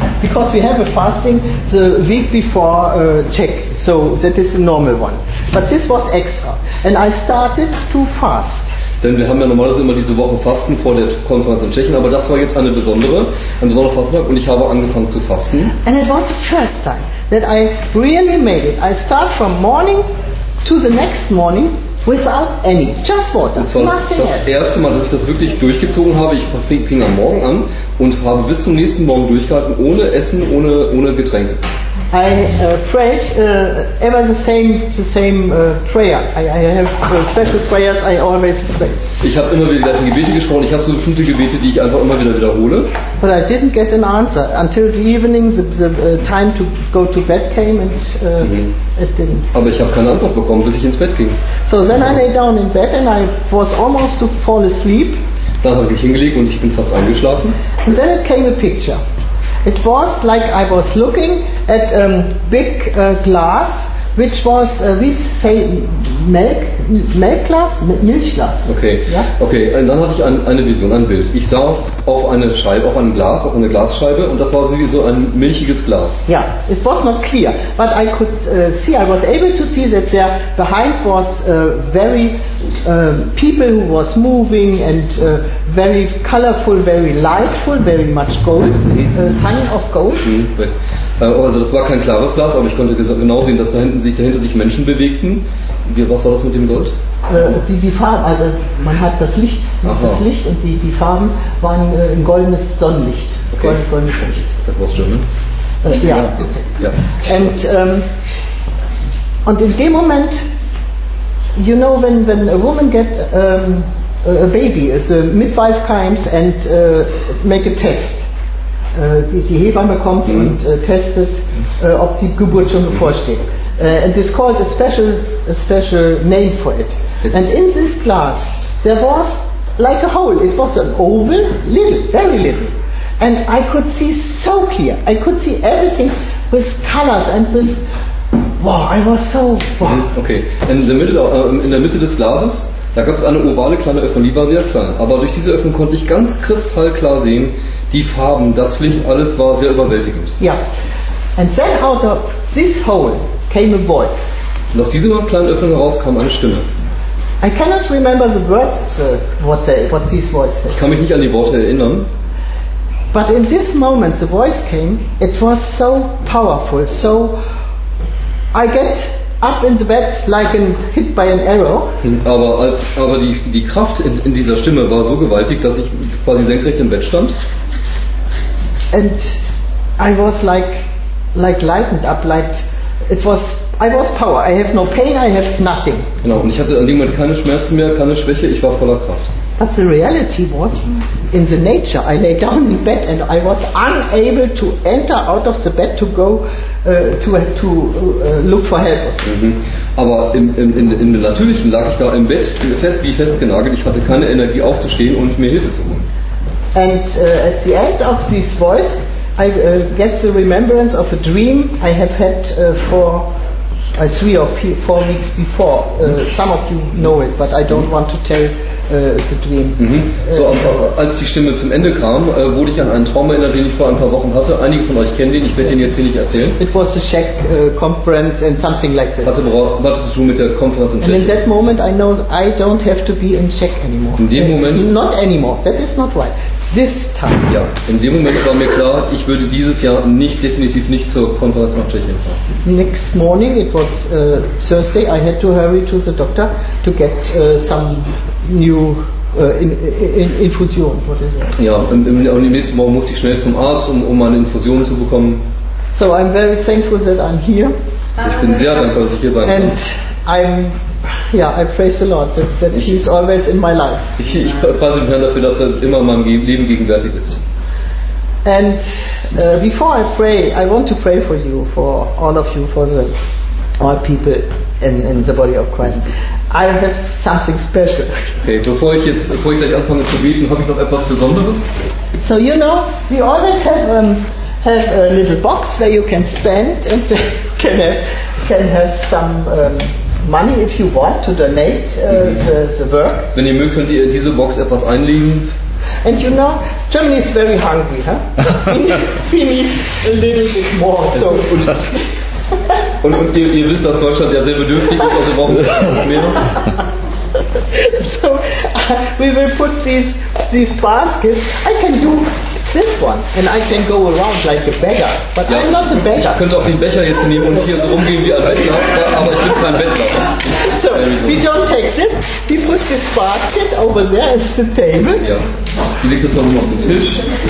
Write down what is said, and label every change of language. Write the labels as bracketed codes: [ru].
[en] Because we have a fasting the week before Czech, so that is a normal one. But this was extra. And I started to fast. [de] Denn wir haben ja normalerweise immer diese Woche Fasten vor der Konferenz in Tschechien, aber das war jetzt ein besonderer Fastentag und ich habe angefangen zu fasten. [en] And it was the first time that I really made it. I start from morning to the next morning without any, just water, nothing else. [de] Das erste Mal, dass ich das wirklich durchgezogen habe, ich fing am Morgen an und habe bis zum nächsten Morgen durchgehalten, ohne Essen, ohne Getränke. [en] I prayed ever the same prayer. I have special prayers I always pray. [de] Ich habe immer wieder die Gebete gesprochen. Ich habe so bestimmte Gebete, die ich einfach immer wieder wiederhole. [en] But I didn't get an answer until the evening, the time to go to bed came, and it didn't. [de] Aber ich habe keine Antwort bekommen, bis ich ins Bett ging. [en] So then I lay down in bed and I was almost to fall asleep. [de] Dann habe ich hingelegt und ich bin fast eingeschlafen. [en] And then it came a picture. It was like I was looking at a big glass, which was, we say, Milchglas. Okay, yeah? Okay. [de] Und dann hatte ich eine Vision, ein Bild. Ich sah auf eine Glasscheibe, und das war wie so ein milchiges Glas. Ja, yeah. [en] It was not clear, but I could see, I was able to see that there behind was very people who was moving and very colorful, very lightful, very much gold, sign of gold. [de] Also das war kein klares Glas, aber ich konnte genau sehen, dass dahinter sich Menschen bewegten. Was war das mit dem Gold? Die Farben, also man hat das Licht, das Licht, und die Farben waren ein goldenes Sonnenlicht. [en] Okay. [de] Goldenes Licht. [en] That was German. Yeah. And [de] in dem Moment, [en] you know, when a woman get a baby, a midwife comes and make a test. [de] Die Hebamme kommt und testet, ob die Geburt schon bevorsteht. [en] And it's called a special name for it. And in this glass, there was like a hole. It was an oval, little, very little. And I could see so clear. I could see everything with colors and with, wow, I was so, wow. [de] Okay, in der Mitte des Glases, da gab es eine ovale kleine Öffnung, die war sehr klein. Aber durch diese Öffnung konnte ich ganz kristallklar sehen, die Farben, das Licht, alles war sehr überwältigend. Ja. Yeah. [en] And then out of this hole came a voice. [de] Und aus dieser kleinen Öffnung heraus kam eine Stimme. [en] I cannot remember the words, what this voice said. [de] Ich kann mich nicht an die Worte erinnern. [en] But in this moment the voice came, it was so powerful, so I get up in the bed like an hit by an arrow. [de] Aber die Kraft in dieser Stimme war so gewaltig, dass ich quasi senkrecht im Bett stand. [en] And I was like lightened up, like it was, I was power, I have no pain, I have nothing. [de] Genau, und ich hatte in dem Moment keine Schmerzen mehr, keine Schwäche, ich war voller Kraft. [en] But the reality was, in the nature, I lay down in bed and I was unable to enter out of the bed to go to look for help. [de] Aber im Natürlichen lag ich da im Bett festgenagelt, ich hatte keine Energie aufzustehen und mir Hilfe zu holen. [en] And at the end of this voice, I get the remembrance of a dream I have had for 3 or 4 weeks before. Some of you know it, but I don't want to tell the dream. Mhm. [de] So, als die Stimme zum Ende kam, wurde ich an einen Traum erinnert, den ich vor ein paar Wochen hatte. Einige von euch kennen den, ich werde den jetzt hier nicht erzählen. [en] It was a Czech conference and something like that. [de] Hatte zu tun mit der Konferenz in [en] Czech. And in that moment I know I don't have to be in Czech anymore. [de] In dem Moment? [en] Not anymore, that is not right. This time. [de] Ja, in dem Moment war mir klar, ich würde dieses Jahr nicht definitiv nicht zur Konferenz nach Tschechien fahren. [en] Next morning, it was Thursday, I had to hurry to the doctor to get some new infusion. What is that? [de] Ja, und am nächsten Morgen musste ich schnell zum Arzt, um eine Infusion zu bekommen. [en] So I'm very thankful that I'm here. [de] Ich bin sehr dankbar, dass ich hier sein kann. [en] And I praise the Lord that he's always in my life. [de] Ich preise den Herrn dafür, dass er immer in meinem Leben gegenwärtig ist. [en] And before I pray, I want to pray for you, for all of you, for the all people in the body of Christ. I have something special. [de] Okay, bevor ich gleich anfange zu beten, habe ich noch etwas Besonderes. [en] So you know, we always have a little box where you can spend and can have some money if you want to donate the work. [de] Wenn ihr mögt, könnt ihr diese Box etwas einlegen. [en] And you know, Germany is very hungry, huh? We need a little bit more. So. [de] und ihr wisst, dass Deutschland ja sehr bedürftig ist, also brauchen wir mehr. [en] So we will put these baskets. I can do this one and I can go around like a beggar, but ja, I'm not a beggar. [de] Ich könnte auch den Becher jetzt nehmen und hier so rumgehen wie ein Bettler, aber ich bin kein Bettler. [en] So we don't take this. We put this basket over there at the table. [de] Ja, die liegt jetzt nochmal auf dem Tisch.